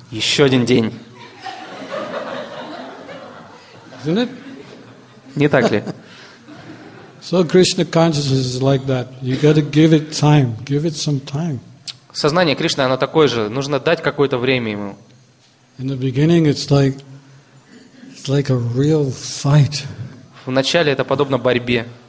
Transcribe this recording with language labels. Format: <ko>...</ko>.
<ru>Еще один день.</ru> <en>Isn't it?</en> <ru>Не так ли?</ru> <en>So Krishna consciousness is like that. You got to give it time. Give it some time.</en> <ru>Сознание Кришны, оно такое же. Нужно дать какое-то время ему.</ru> <en>In the beginning, it's like a real fight.</en> <ru>Вначале это подобно борьбе.</ru>